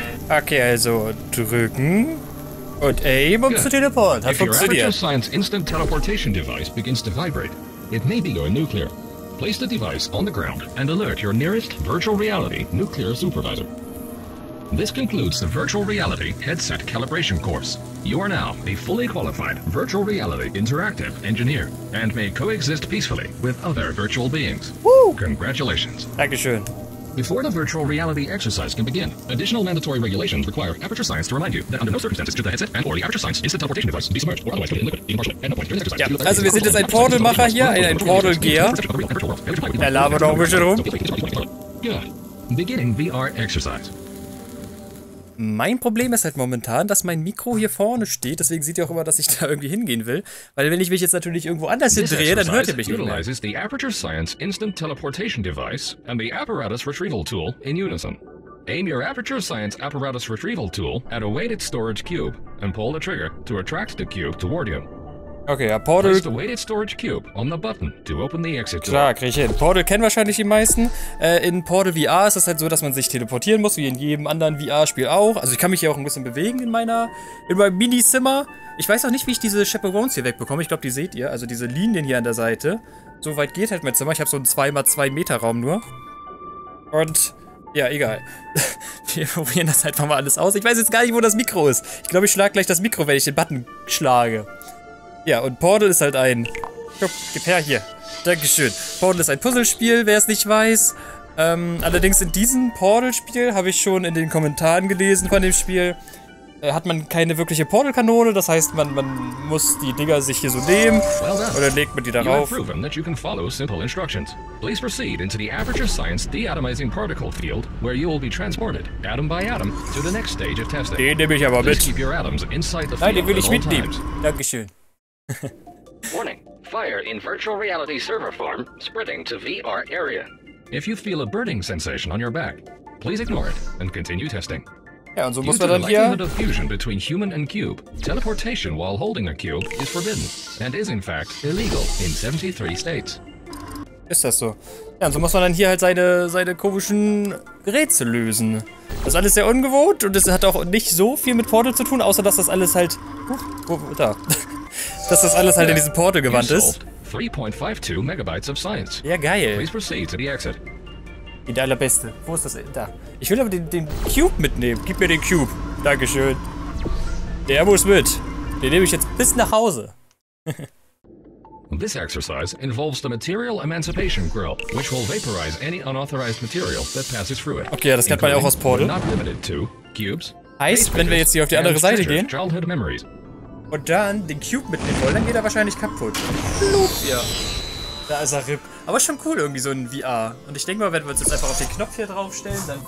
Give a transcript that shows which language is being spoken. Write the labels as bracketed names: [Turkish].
[German] Okay, also drücken und aim, um zu teleportieren. Hat funktioniert. [English] If your Aperture Science Instant Teleportation Device begins to vibrate, it may be going nuclear. Place the device on the ground and alert your nearest virtual reality nuclear supervisor. This concludes the Virtual Reality Headset Calibration Course. You are now a fully qualified Virtual Reality Interactive Engineer and may coexist peacefully with other virtual beings. Woo! Congratulations. [German] Dankeschön. [English] Before the Virtual Reality Exercise can begin, additional mandatory regulations require Aperture Science to remind you that under no circumstances should the headset and or the Aperture Science Instant Teleportation Device be submerged or otherwise put in liquid, being partially at no point during the exercise. [German] Ja, also wir sind jetzt ein Portalmacher hier, ein Portalgeher. Der labert auch ein bisschen rum. [English] Good. Beginning VR Exercise. [German] Mein Problem ist halt momentan, dass mein Mikro hier vorne steht, deswegen seht ihr auch immer, dass ich da irgendwie hingehen will. Weil wenn ich mich jetzt natürlich irgendwo anders hindrehe, dann hört ihr mich nicht mehr. [English] Utilizes the Aperture Science Instant Teleportation Device and the Apparatus Retrieval Tool in unison. Aim your Aperture Science Apparatus Retrieval Tool at a weighted storage cube and pull the trigger to attract the cube toward you. Okay, a Portal. Place the weighted storage cube on the button to open the exit door. [German] Klar, krieg ich hin. Portal kennen wahrscheinlich die meisten. In Portal VR ist es halt so, dass man sich teleportieren muss, wie in jedem anderen VR-Spiel auch. Also ich kann mich hier auch ein bisschen bewegen in meinem Minizimmer. Ich weiß auch nicht, wie ich diese Chaperones hier wegbekomme. Ich glaube, die seht ihr. Also diese Linien hier an der Seite. So weit geht halt mein Zimmer. Ich habe so einen 2x2 Meter Raum nur. Und ja, egal. Wir probieren das einfach mal alles aus. Ich weiß jetzt gar nicht, wo das Mikro ist. Ich glaube, ich schlage gleich das Mikro, wenn ich den Button schlage. Ja, und Portal ist halt ein... Guck, gib her hier. Dankeschön. Portal ist ein Puzzlespiel, wer es nicht weiß. Allerdings in diesem Portal-Spiel, habe ich schon in den Kommentaren gelesen von dem Spiel, hat man keine wirkliche Portal-Kanone. Das heißt, man muss die Dinger sich hier so nehmen. Oder legt man die darauf. [English] You have proven that you can follow simple instructions. Please proceed into the Aperture Science de-atomizing particle field, where you will be transported, atom by atom, to the next stage of testing. [German] Den nehme ich aber mit. [English] Please keep your atoms inside the field. [German] Nein, den will ich mitnehmen. Dankeschön. [English] Warning, fire in virtual reality server farm spreading to VR area. If you feel a burning sensation on your back, please ignore it and continue testing. [German] Ja, und so muss man dann hier. [English] Due to the fusion between human and cube, teleportation while holding a cube is forbidden and is in fact illegal in 73 states. [German] Ist das so? Ja, und so muss man dann hier halt seine komischen Rätsel lösen. Das ist alles sehr ungewohnt und es hat auch nicht so viel mit Portal zu tun, außer dass das alles halt. Da. Dass das alles halt in diesen Portal gewandt ist. [English] 3.52 Megabytes of Science. [German] Ja, geil. [English] Please proceed to the exit. [German] In der allerbeste. Wo ist das? Da. Ich will aber den Cube mitnehmen. Gib mir den Cube. Dankeschön. Der muss mit. Den nehme ich jetzt bis nach Hause. [English] This exercise involves the material emancipation grill, which will vaporize any unauthorized material that passes through it. [German] Okay, ja, das kennt man ja auch aus Portal. [English] Not limited to cubes, [German] heißt, wenn wir jetzt hier auf die andere Seite gehen. [English] Childhood memories. [German] und dann den Cube mitnehmen wollen, dann geht er wahrscheinlich kaputt. Loop, ja. Da ist er RIP. Aber schon cool irgendwie so ein VR. Und ich denke mal, wenn wir uns jetzt einfach auf den Knopf hier draufstellen, dann...